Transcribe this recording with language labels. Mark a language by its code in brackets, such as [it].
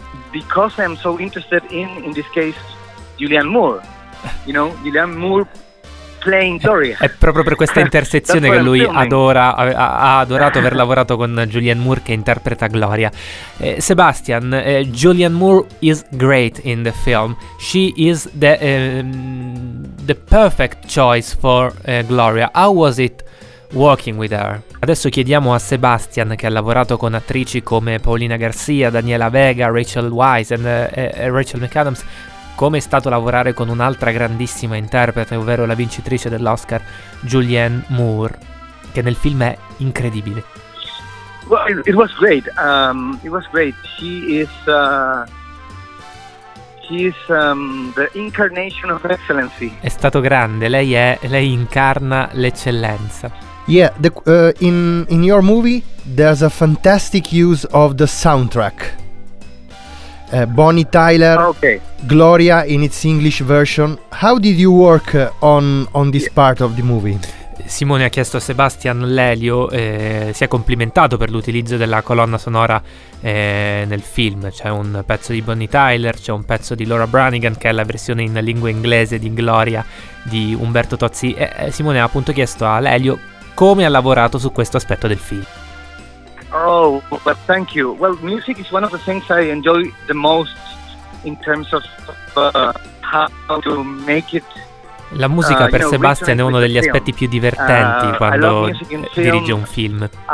[en] Because I'm so interested in this case Julianne Moore, you know, Julianne Moore playing Doria. [it] È proprio per questa intersezione che lui ha adorato aver lavorato con Julianne Moore che interpreta Gloria. [en] Sebastian, Julianne Moore is great in the film. She is the perfect choice for Gloria. How was it working with her? [it] Adesso chiediamo a Sebastian, che ha lavorato con attrici come Paulina Garcia, Daniela Vega, Rachel Weisz and Rachel McAdams, come è stato lavorare con un'altra grandissima interprete, ovvero la vincitrice dell'Oscar, Julianne Moore, che nel film è incredibile. [en] Well, it was great. It was great. She is the incarnation of excellency. [it] È stato grande. Lei incarna l'eccellenza. [en] Yeah, in your movie there's a fantastic use of the soundtrack. Bonnie Tyler, okay. Gloria in its English version. How did you work on this part of the movie? [it] Simone ha chiesto a Sebastian Lelio, si è complimentato per l'utilizzo della colonna sonora nel film. C'è un pezzo di Bonnie Tyler, c'è un pezzo di Laura Branigan, che è la versione in lingua inglese di Gloria di Umberto Tozzi. Simone ha appunto chiesto a Lelio come ha lavorato su questo aspetto del film. [en] Oh, but thank you. Well, music is one of the things I enjoy the most in terms of how to make it. [it] La musica per Sebastian è uno degli aspetti più divertenti quando dirige un film.